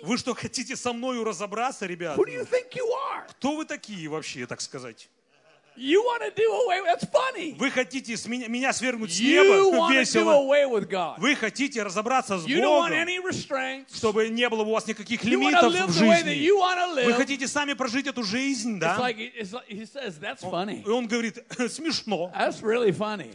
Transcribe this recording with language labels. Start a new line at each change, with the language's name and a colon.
Russian: Вы что, хотите со мною разобраться, ребята?
English: Who do you think you are?
Russian: Кто вы такие вообще, так сказать?
English: You want to do away with, that's funny.
Russian: Вы хотите меня свергнуть с неба? Весело. Вы хотите разобраться с Богом? Чтобы не было у вас никаких лимитов в жизни. Вы хотите сами прожить эту жизнь, да? И он говорит, смешно.
English: That's really funny.